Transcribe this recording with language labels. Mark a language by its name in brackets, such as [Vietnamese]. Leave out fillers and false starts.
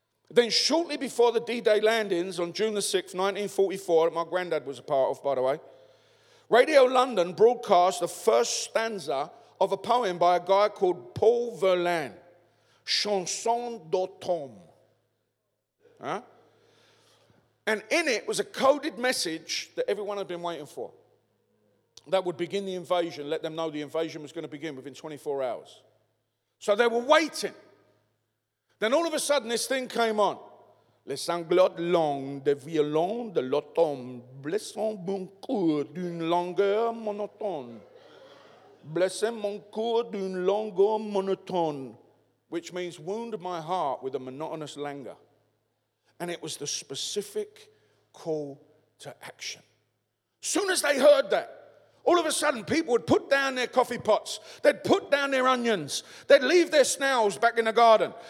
[English] Then shortly before the D-Day landings on June the 6th, 1944, my granddad was a part of, by the way, Radio London broadcast the first stanza of a poem by a guy called Paul Verlaine, Chanson d'automne. Huh? And in it was a coded message that everyone had been waiting for. That would begin the invasion, let them know the invasion was going to begin within 24 hours. So they were waiting. Then all of a sudden this thing came on. [French] Les sanglots longs des violons de l'automne blessent mon cœur d'une longueur monotone. Blessent mon cœur d'une longueur monotone. [English] Which means wound my heart with a monotonous languor. And it was the specific call to action. Soon as they heard that, all of a sudden, people would put down their coffee pots. They'd put down their onions. They'd leave their snails back in the garden.